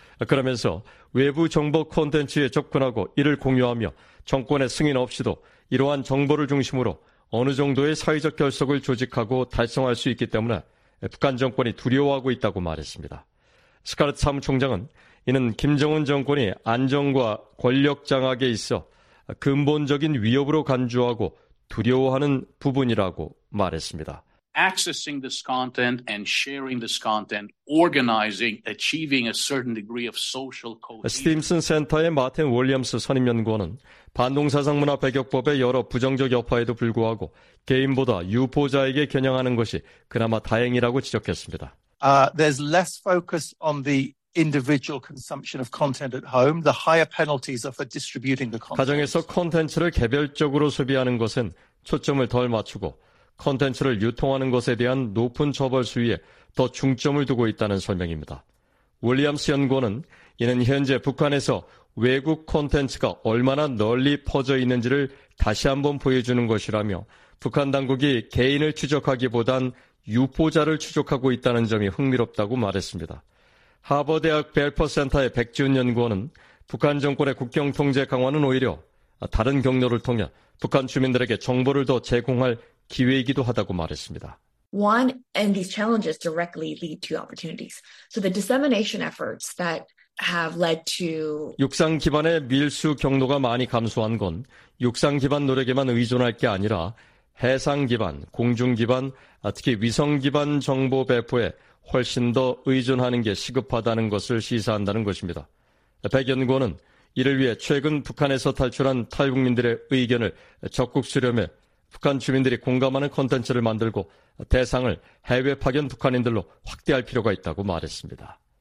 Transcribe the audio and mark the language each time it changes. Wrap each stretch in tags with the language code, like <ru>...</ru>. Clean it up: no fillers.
<ko>그러면서 외부 정보 콘텐츠에 접근하고 이를 공유하며 정권의 승인 없이도 이러한 정보를 중심으로 어느 정도의 사회적 결속을 조직하고 달성할 수 있기 때문에 북한 정권이 두려워하고 있다고 말했습니다. 스칼렛 사무총장은 이는 김정은 정권이 안정과 권력 장악에 있어 근본적인 위협으로 간주하고 두려워하는 부분이라고 말했습니다.</ko> <en>Accessing this content and sharing this content, organizing, achieving a certain degree of social cohesion.</en> <ko>스팀슨 센터의 마틴 윌리엄스 선임연구원은 반동사상문화 배격법의 여러 부정적 여파에도 불구하고 개인보다 유포자에게 겨냥하는 것이 그나마 다행이라고 지적했습니다.</ko> <en>There's less focus on the individual consumption of content at home, the higher penalties are for distributing the content.</en> <ko>가정에서 콘텐츠를 개별적으로 소비하는 것은 초점을 덜 맞추고 콘텐츠를 유통하는 것에 대한 높은 처벌 수위에 더 중점을 두고 있다는 설명입니다. 윌리엄스 연구원은 이는 현재 북한에서 외국 콘텐츠가 얼마나 널리 퍼져 있는지를 다시 한번 보여주는 것이라며 북한 당국이 개인을 추적하기보단 유포자를 추적하고 있다는 점이 흥미롭다고 말했습니다. 하버드대학 벨퍼센터의 백지훈 연구원은 북한 정권의 국경 통제 강화는 오히려 다른 경로를 통해 북한 주민들에게 정보를 더 제공할 기회이기도 하다고 말했습니다.</ko> <en>One and these challenges directly lead to opportunities. So the dissemination efforts that have led to</en> <ko>육상 기반의 밀수 경로가 많이 감소한 건 육상 기반 노력에만 의존할 게 아니라 해상 기반, 공중 기반, 특히 위성 기반 정보 배포에 훨씬 더 의존하는 게 시급하다는 것을 시사한다는 것입니다. 백 연구원은 이를 위해 최근 북한에서 탈출한 탈북민들의 의견을 적극 수렴해 북한 주민들이 공감하는 콘텐츠를 만들고 대상을 해외 파견 북한인들로 확대할 필요가 있다고 말했습니다.</ko>